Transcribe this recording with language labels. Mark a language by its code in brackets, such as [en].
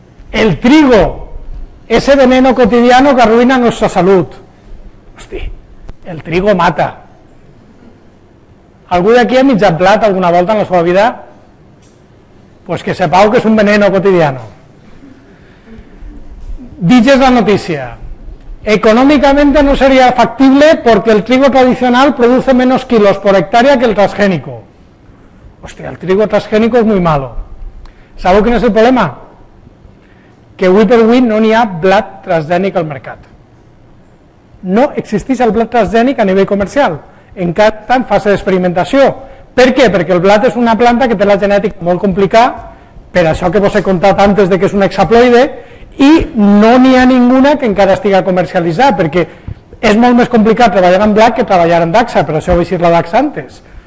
[es] El trigo, ese veneno cotidiano que arruina nuestra salud. Hosti, el trigo mata. [ca] Algú d'aquí ha menjat blat alguna volta en la seva vida? [es] Pues que sepau [ca] que és [es] un veneno cotidiano. [ca] Digues la notícia. [es] Económicamente no sería factible porque el trigo tradicional produce menos kilos por hectárea que el transgénico. Hostia, el trigo transgénico es muy malo. [ca] ¿Sabeu quin és el problema? Que avui per avui no n'hi ha blat transgènic al mercat. No existeix el blat transgènic a nivell comercial, encara està en fase d'experimentació. Per què? Perquè el blat és una planta que té la genètica molt complicada, per això que vos he contat antes de que és un hexaploide, i no n'hi ha ninguna que encara estigui a comercialitzar, perquè és molt més complicat treballar amb blat que treballar amb Daxa, per això ho he dit la Daxa antes.